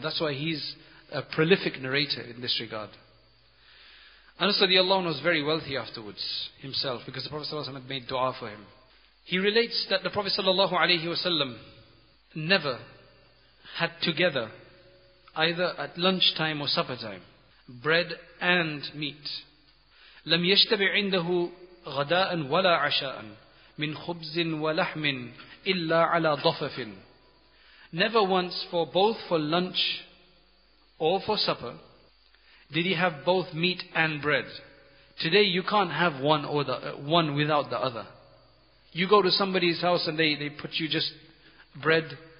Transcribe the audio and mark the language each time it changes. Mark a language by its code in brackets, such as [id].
[en] That's why he's a prolific narrator in this regard. Anas radiallahu anhu was very wealthy afterwards himself, because the Prophet sallallahu alaihi wasallam had made dua for him. He relates that the Prophet sallallahu alaihi wasallam never had together, either at lunchtime or supper time, bread and meat. [ar] لم يشتبع عنده غداء ولا عشاء من خبز ولحم إلا على ضفف. [en] Never once, for both for lunch or for supper, did he have both meat and bread. Today you can't have one without the other. You go to somebody's house and they put you just bread.